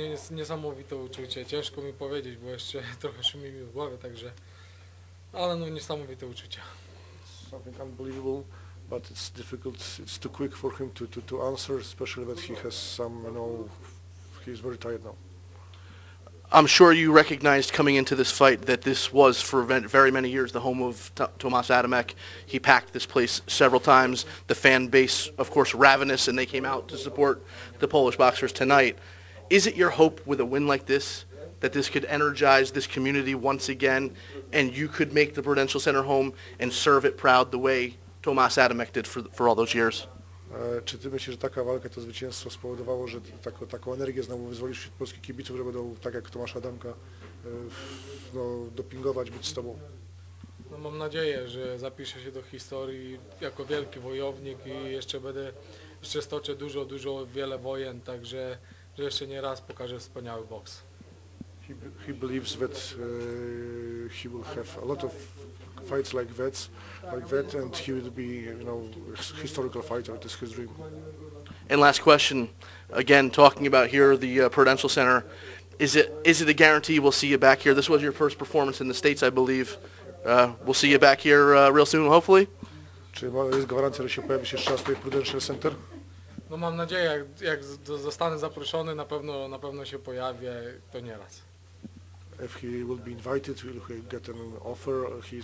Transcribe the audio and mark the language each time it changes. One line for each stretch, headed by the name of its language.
Polish: Niesamowite uczucie, ciężko mi powiedzieć, bo jeszcze trochę szumi mi w głowie, także, ale no niesamowite uczucie.
English: Something unbelievable, but it's difficult, it's too quick for him to answer, especially that he has some, you know, he's very tired now. I'm sure you recognized coming into this fight that this was for very many years the home of Tomas Adamek. He packed this place several times. The fan base, of course, ravenous, and they came out to support the Polish boxers tonight. Is it your hope with a win like this that this could energize this community once again and you could make the Prudential Center home and serve it proud the way Tomas Adamek did for all those years?
Polish: Czy ty myślisz, że taka walka, to zwycięstwo spowodowało, że taką energię znowu wyzwolisz wśród polskich kibiców, że będą tak jak Tomasz Adamka no, dopingować, być z tobą? No, mam nadzieję, że zapiszę się do historii jako wielki wojownik i jeszcze stoczę dużo, dużo, wiele wojen, także że jeszcze nie raz pokażę wspaniały boks.
English: He believes that he will have a lot of fights like that, and he will be, you know, historical fighter. It is his dream. And last question, again talking about here the Prudential Center, is it a guarantee we'll see you back here? This was your first performance in the States, I believe. We'll see you back here real soon, hopefully.
Polish: Czy jest gwarancja, że się pojawisz jeszcze raz w Prudential Center? No mam nadzieję, jak zostanę zaproszony, na pewno się pojawię, to nie raz.
English: If he will be invited, will he get an offer? He's absolutely ready and he really wants to come back.